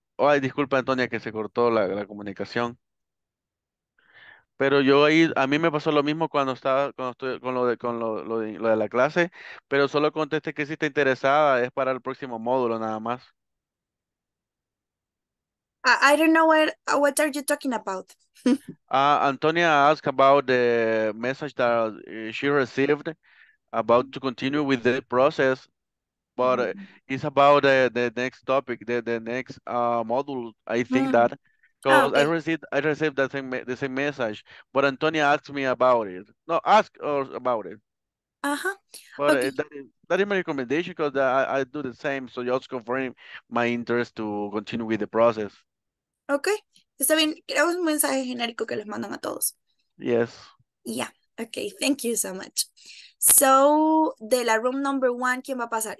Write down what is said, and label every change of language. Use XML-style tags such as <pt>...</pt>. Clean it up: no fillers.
<es>Ay, disculpa, Antonia, que se cortó la comunicación. Pero yo ahí, a mí me pasó lo mismo cuando estaba con lo de la clase, pero solo contesté que si está interesada, es para el próximo módulo nada más.</es> <en>I don't know what are you talking about. Antonia asked about the message that she received about to continue with the process, but it's about the next topic, the next module, I think that. Because oh, okay. I received the same message, but Antonia asked me about it. No, ask her about it. Uh-huh. But okay. That is my recommendation, because I do the same, so just confirm my interest to continue with the process.</en> <es>Okay. Está bien. Creo que es un mensaje genérico que les mandan a todos.</es> <en>Yes. Yeah. Okay. Thank you so much.</en> <es>So, de la room number one, ¿quién va a pasar?</es>